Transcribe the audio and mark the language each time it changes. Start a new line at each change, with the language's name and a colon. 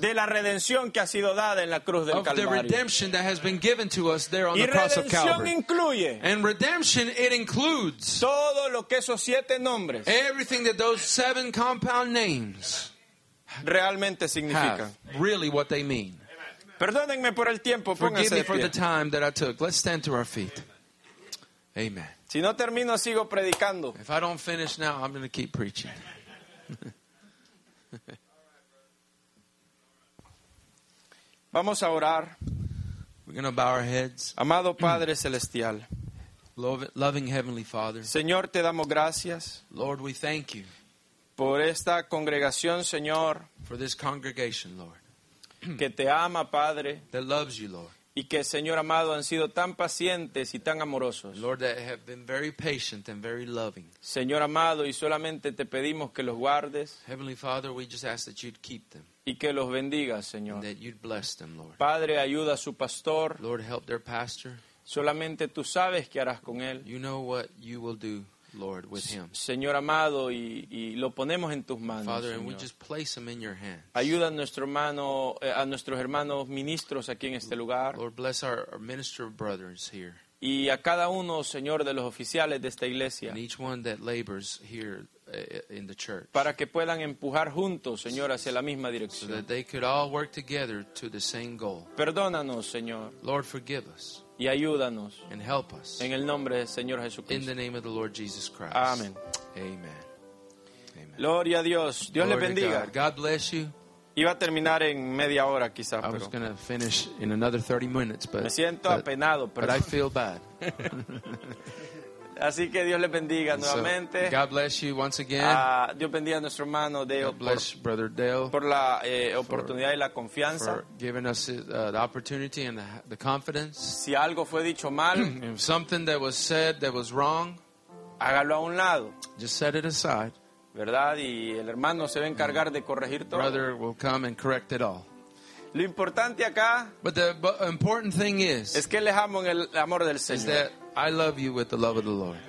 Spanish: de la redención que ha sido dada en la cruz del Calvario.
English: Redemption that has been given to us there on the cross of Calvary. And redemption, it includes
Spanish: todo lo que esos siete nombres,
English: everything that those seven compound names
Spanish: realmente
English: have, really what they mean.
Spanish: Perdónenme por el tiempo,
English: forgive me for the time that I took. Let's stand to our feet. Amen.
Spanish: Si no termino, sigo predicando.
English: If I don't finish now, I'm going to keep preaching.
Spanish: Vamos a orar.
English: We're going to bow our heads.
Spanish: Amado Padre Celestial.
English: Loving Heavenly Father.
Spanish: Señor, te damos gracias.
English: Lord, we thank you.
Spanish: Por esta congregación, Señor.
English: For this congregation, Lord.
Spanish: Que te ama, Padre.
English: That loves you, Lord.
Spanish: Y que, Señor amado, han sido tan pacientes y tan amorosos.
English: Lord, that have been very patient and very loving.
Spanish: Señor amado, y solamente te pedimos que los guardes.
English: Heavenly Father, we just ask that you'd keep them.
Spanish: Y que los bendiga, Señor.
English: And that you'd bless them, Lord.
Spanish: Padre, ayuda a su pastor.
English: Lord, help their pastor.
Spanish: Solamente tú sabes qué harás con él.
English: You know what you will do, Lord, with him.
Spanish: Señor amado, y lo ponemos en tus manos,
English: Father,
Spanish: Señor.
English: And we just place him in your hands.
Spanish: Ayuda a nuestro hermano, a nuestros hermanos ministros aquí en este lugar.
English: Lord, bless our minister brothers here.
Spanish: Y a cada uno, Señor, de los oficiales de esta iglesia.
English: And each one that labors here in the church.
Spanish: Para que puedan empujar juntos, Señor, hacia la misma dirección.
English: So that they could all work together to the same goal.
Spanish: Perdónanos, Señor.
English: Lord, forgive us.
Spanish: Y ayúdanos.
English: And help us.
Spanish: En el nombre del Señor Jesucristo.
English: In the name of the Lord Jesus Christ.
Spanish: Amen.
English: Amen.
Spanish: Amen. Gloria a Dios. Dios
English: Glory
Spanish: le bendiga.
English: God bless you.
Spanish: Iba a terminar en media hora quizá,
English: I was going to finish in another 30 minutes, but
Spanish: me siento apenado,
English: but I feel bad.
Spanish: Así que Dios le bendiga nuevamente.
English: So, God bless you once again.
Spanish: Dios bendiga a nuestro hermano Dale.
English: God bless Brother Dale.
Spanish: Por la oportunidad y la confianza.
English: For giving us the opportunity and the confidence.
Spanish: Si algo fue dicho mal.
English: If something that was said that was wrong.
Spanish: Hágalo a un lado.
English: Just set it aside.
Spanish: ¿Verdad? Y el hermano se va a encargar de corregir todo.
English: Brother will come and correct it all.
Spanish: Lo importante acá.
English: But the important thing is.
Spanish: Es que les amo en el amor del Señor.
English: Is that I love you with the love of the Lord.